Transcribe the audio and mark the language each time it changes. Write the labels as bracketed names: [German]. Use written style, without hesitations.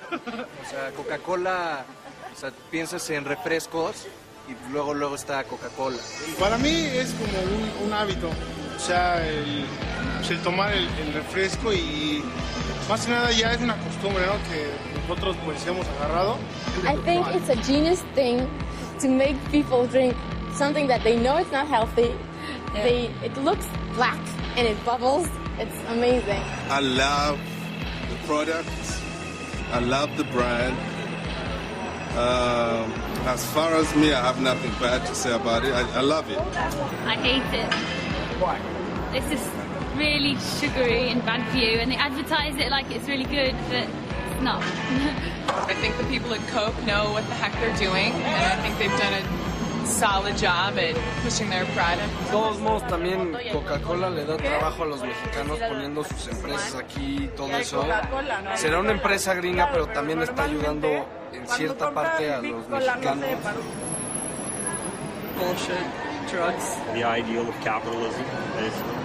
[Spanish] O sea, Coca-Cola, o sea, piensas en refrescos y luego está Coca-Cola. Para mí es como un hábito, o sea, el tomar el refresco y más que nada ya es una costumbre, ¿no? Que nosotros pues hemos agarrado. [English] I think it's a genius thing to make people drink something that they know it's not healthy. Yeah. It looks black and it bubbles. It's amazing. I love the product. I love the brand. As far as me, I have nothing bad to say about it. I love it. I hate it. Why? It's just really sugary and bad for you, and they advertise it like it's really good, but not. I think the people at Coke know what the heck they're doing, and I think they've done a solid job at pushing their product. [Spanish] Todos modos, también Coca-Cola le da trabajo a los mexicanos poniendo sus empresas aquí y todo eso. Será una empresa gringa, pero también está ayudando en cierta parte a los mexicanos. [English] Bullshit, drugs. The ideal of capitalism is.